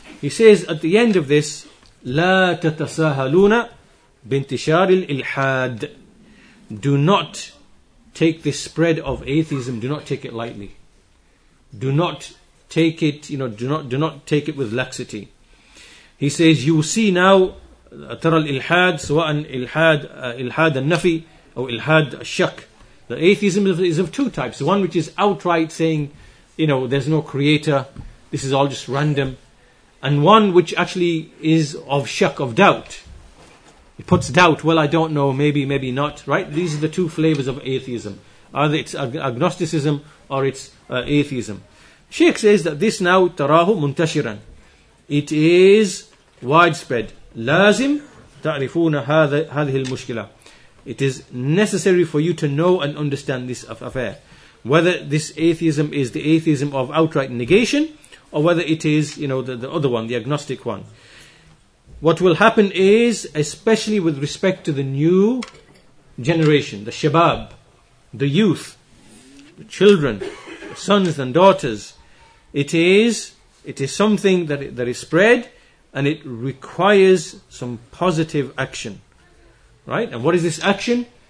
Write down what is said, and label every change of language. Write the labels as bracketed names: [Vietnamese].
[English] He says at the end of this, [Arabic] لَا تَتَسَاهَلُونَ بِانْتِشَارِ الْإِلْحَادِ. [English] Do not take this spread of atheism, do not take it lightly. Do not take it, you know, do not take it with laxity. He says, you will see now, [Arabic] ترى الإلحاد سواء إلحاد إلحاد النفي أو إلحاد الشك. [English] The atheism is of two types. One which is outright saying, you know, there's no creator, this is all just random. And one which actually is of shak, of doubt. It puts doubt, well, I don't know, maybe, maybe not, right? These are the two flavors of atheism. Either it's agnosticism or it's atheism. Shaykh says that this now, [Arabic] تراه منتشرا. [English] It is widespread. [Arabic] لازم تعرفون هذه المشكلة. [English] It is necessary for you to know and understand this affair. Whether this atheism is the atheism of outright negation, or whether it is, you know, the other one, the agnostic one. What will happen is, especially with respect to the new generation, the shabab, the youth, the children, the sons and daughters, it is something that is spread, and it requires some positive action. Right? And what is this action?